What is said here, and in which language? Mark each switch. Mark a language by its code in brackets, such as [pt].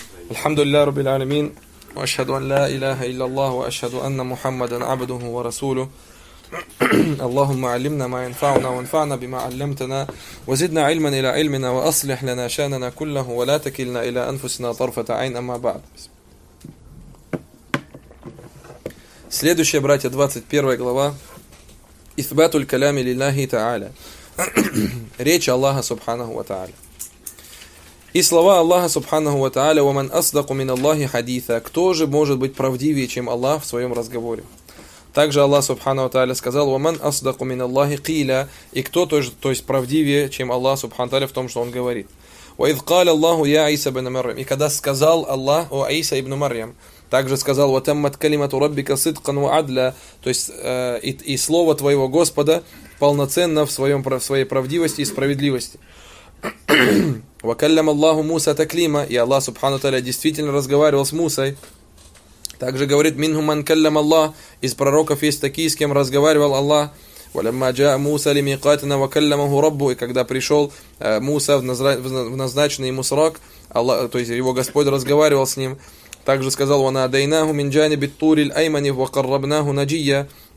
[ar] الحمد لله رب العالمين وأشهد أن لا إله إلا الله وأشهد أن محمدا عبده ورسوله اللهم علمنا ما ينفعنا وانفعنا بما علمتنا وزدنا علما إلى علمنا وأصلح لنا شأننا كله ولا تكلنا إلى أنفسنا طرفة عين أما بعد. [ru] Следующая, братья, 21 глава. [ar] إثبات الكلام لله تعالى. [ru] Речь Аллаха Субханаху ва Тааля. И слова Аллаха Субханаху ва Тааля: [ar] «Ва ман асдаку мин Аллахи хадиса». [ru] Кто же может быть правдивее, чем Аллах в своем разговоре? Также Аллах Субханаху ва Тааля сказал: [ar] «Ва ман асдаку мин Аллахи киля». [ru] И кто тоже, то есть правдивее, чем Аллах Субханаху ва Тааля в том, что он говорит? [ar] «Ва ид кала Аллаху я Иса ибн Марьям». [ru] И когда сказал Аллах о Иса ибн Марьям, также сказал: [ar] «Ва таммат калимату раббика сидкан ва адля». [ru] То есть и слово твоего Господа полноценно в своей правдивости и справедливости. [ar] وَكَلَّمَ اللَّهُ مُوسَى تَكْلِيمًا. [ru] И Аллах Субхану Тааля действительно разговаривал с Мусой. Также говорит: [ar] «Минху ман каллама Аллах». [ru] Из пророков есть такие, с кем разговаривал Аллах. [ar] وَلَمَّا جَاءَ مُوسَى لِمِيقَاتِنَا وَكَلَّمَهُ رَبُّهُ. [ru] И когда пришел Муса в назначенный ему срок, Аллах, то есть его Господь, разговаривал с ним. Также сказал: [ar] وَنَادَيْنَاهُ مِنْ جَانِبِ الطُّورِ الْأَيْمَنِ وَقَرَّبْنَاهُ نَجِيًّا.